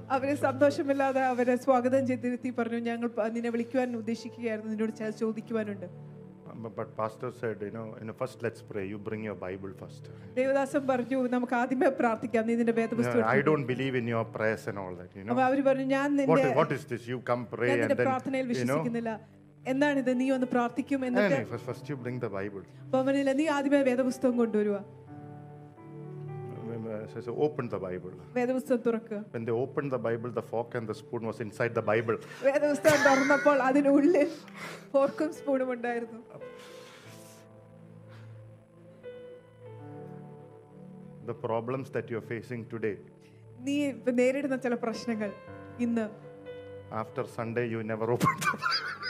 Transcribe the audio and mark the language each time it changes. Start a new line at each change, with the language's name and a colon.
English: And so But Pastor said, you know, first let's pray. You bring your Bible first. I don't believe in your prayers and all that, What is this? You come pray and then, you know.
Malayalam: എന്താണിത് നീ ഒന്ന് പ്രാർത്ഥിക്കും എന്നിട്ട്
English: says so open the Bible.
Malayalam: വേദപുസ്തകം തുറക്കുക.
English: When they opened the Bible, the fork and the spoon was inside the Bible.
Malayalam: വേദപുസ്തകം തുറന്നപ്പോൾ അതിനുള്ളിൽ ഫോർക്കും സ്പൂണും ഉണ്ടായിരുന്നു.
English: The problems that you are facing today.
Malayalam: നീ നേരിടുന്ന ചില പ്രശ്നങ്ങൾ ഇന്ന്
English: after Sunday you never opened the Bible.